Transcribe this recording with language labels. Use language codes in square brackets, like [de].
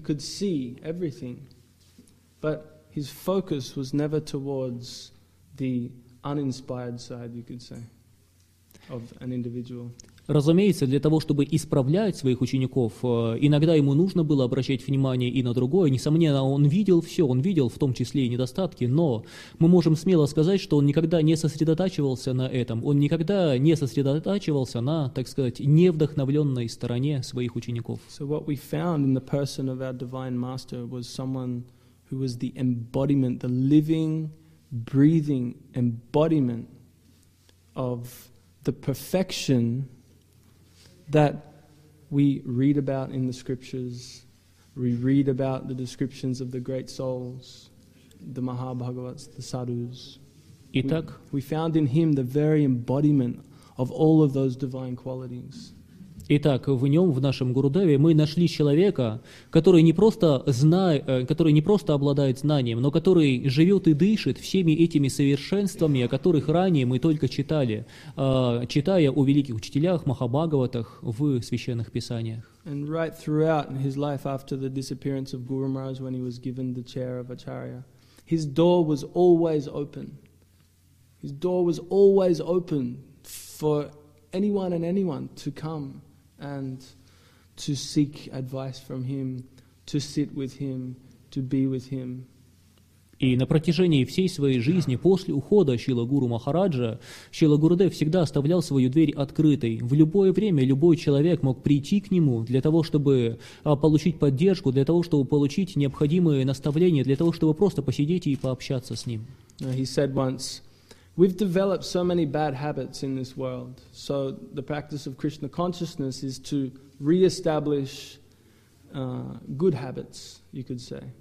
[en] He could see everything, but his focus was never towards the uninspired side, you could say, of an individual. [ru] Разумеется, для того, чтобы исправлять своих учеников, иногда ему нужно было обращать внимание и на другое. Несомненно, он видел все, он видел в том числе и недостатки, но мы можем смело сказать, что он никогда не сосредотачивался на этом. Он никогда не сосредотачивался на, так сказать, невдохновленной стороне своих учеников. [en] So what we found in the person of our divine master was someone who was the embodiment, the living, breathing embodiment of the perfection that we read about in the scriptures. We read about the descriptions of the great souls, the Mahabhagavats, the sadhus. [ru] Итак, [en] we found in him the very embodiment of all of those divine qualities. [ru] Итак, в нем, в нашем Гурудеве, мы нашли человека, который не просто обладает знанием, но который живет и дышит всеми этими совершенствами, о которых ранее мы только читали, читая о великих учителях, Махабхагаватах в священных писаниях. [en] And right throughout his life after the disappearance of Guru Maharaj, when he was given the chair of Acharya, his door was always open. His door was always open for anyone and anyone to come and to seek advice from him, to sit with him, to be with him. [ru] И на протяжении всей своей жизни, после ухода Шрила Гуру Махараджа, Шрила Гурудев всегда оставлял свою дверь открытой. В любое время любой человек мог прийти к нему для того, чтобы получить поддержку, для того, чтобы получить необходимые наставления, для того, чтобы просто посидеть и пообщаться с ним. [en] He said once, we've developed so many bad habits in this world, so the practice of Krishna consciousness is to re-establish good habits, you could say.